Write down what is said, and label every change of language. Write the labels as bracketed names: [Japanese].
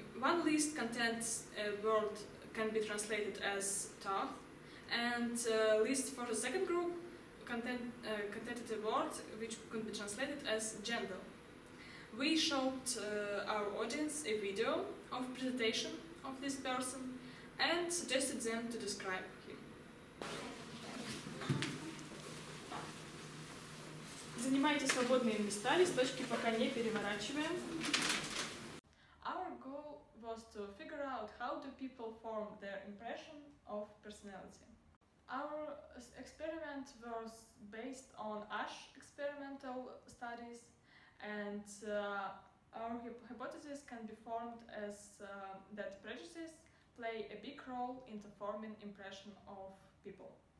[English] One list contains a word can be translated as tough, and list for the second group contained a word which could be translated as gender. We showed our audience a video of presentation of this person and suggested them to describe him. [Russian] Занимайте свободные места, листочки пока не переворачиваем. [English] Our goal was to figure out how do people form their impression of personality. Our experiment was based on ASH experimental studies, and our hypothesis can be formed as that prejudices play a big role in the forming impression of people.